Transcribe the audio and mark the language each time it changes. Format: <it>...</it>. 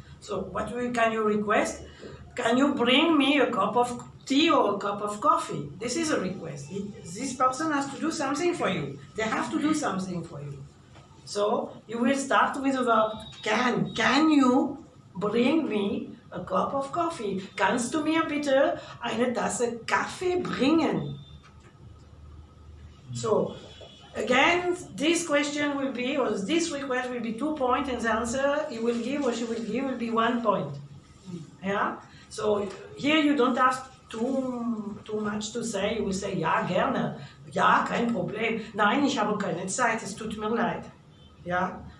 <en>So what can you request? Can you bring me a cup of tea or a cup of coffee? This is a request. This person has to do something for you. They have to do something for you. So you will start with a verb, can. Can you bring me a cup of coffee?</en> <de>Kannst du mir bitte eine Tasse Kaffee bringen?</de> <en>So again, this question will be, or this request will be 2 points, and the answer he will give or she will give will be 1 point. Yeah? So here you don't have too much to say. You will say,</en> <de>ja, gerne. Ja, kein Problem. Nein, ich habe keine Zeit. Es tut mir leid. Yeah?</de>